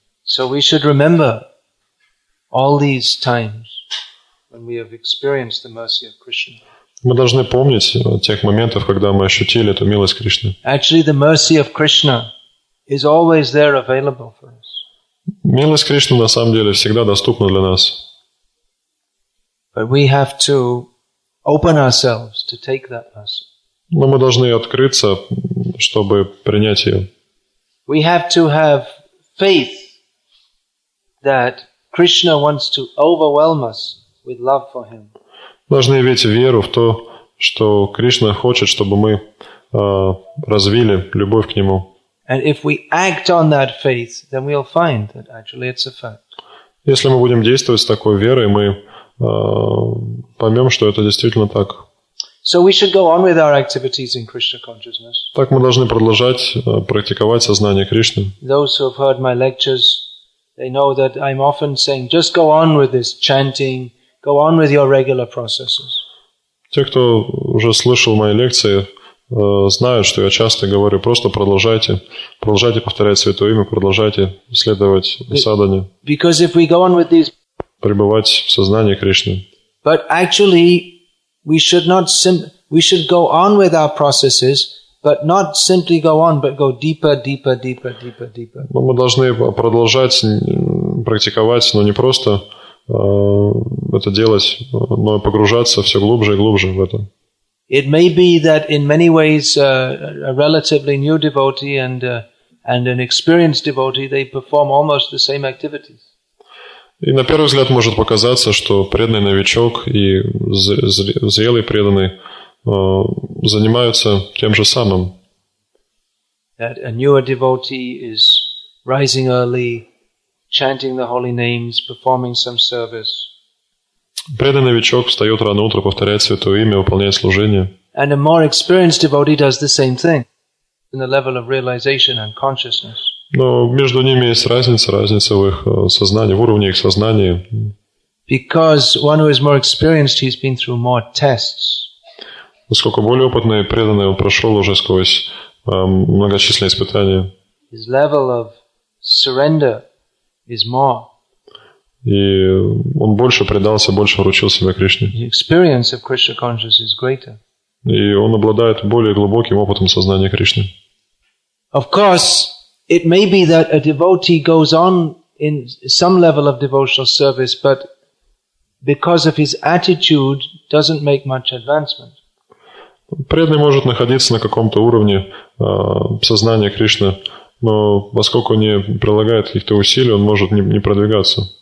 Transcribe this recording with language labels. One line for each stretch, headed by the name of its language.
English: So we should remember all these times when we have experienced the mercy of Krishna.
Russian: Мы должны помнить тех моментов, когда мы ощутили эту милость Кришны.
English: Actually, the mercy of Krishna is always there available for us.
Russian: Милость Кришны на самом деле всегда доступна для нас.
English: But we have to open ourselves to take that mercy.
Russian: Но мы должны открыться, чтобы принять ее.
English: We have to have faith that Krishna wants to overwhelm us with love for him.
Russian: Должны иметь веру в то, что Кришна хочет, чтобы мы развили любовь к нему.
English: And if we act on that faith, then we'll find that actually it's a fact.
Russian: Если мы будем действовать с такой верой, мы поймем, что это действительно так.
English: So we should go on with our activities in Krishna consciousness.
Russian: Так мы должны продолжать практиковать сознание Кришны.
English: Those who have heard my lectures, they know that I'm often saying, just go on with this chanting, go on with your regular processes.
Russian: Те, кто уже слышал мои лекции, знают, что я часто говорю, просто продолжайте, продолжайте повторять Святое Имя, продолжайте следовать садане.
English: Because if we go on with these,
Russian: пребывать в сознании Кришны.
English: But actually, we should go on with our processes, but not simply go on, but go deeper, deeper, deeper, deeper, deeper.
Russian: Но мы должны продолжать практиковать, но не просто это делать, но погружаться все глубже и глубже в это.
English: It may be that in many ways a relatively new devotee and an experienced devotee, they perform almost the same activities.
Russian: И на первый взгляд может показаться, что преданный новичок и зрелый преданный занимаются тем же самым.
English: That a newer devotee is rising early, chanting the holy names, performing some service.
Russian: Преданный новичок встает рано утром, повторяет Святое Имя, выполняет служение.
English: And a more experienced devotee does the same thing in the level of realization and consciousness.
Russian: Но между ними есть разница, разница в их сознании, в уровне их сознания.
English: Because one who is more experienced, he's been through more tests.
Russian: Насколько более опытный и преданный, он прошел уже сквозь многочисленные испытания.
English: His level of surrender is more.
Russian: И он больше предался, больше вручил себя Кришне.
English: The experience of Krishna consciousness is greater.
Russian: И он обладает более глубоким опытом сознания Кришны.
English: Of course, it may be that a devotee goes on in some level of devotional service, but because of his attitude, doesn't make much advancement.
Russian: Преданный может находиться на каком-то уровне сознания Кришны, но поскольку не прилагает каких-то усилий, он может не продвигаться.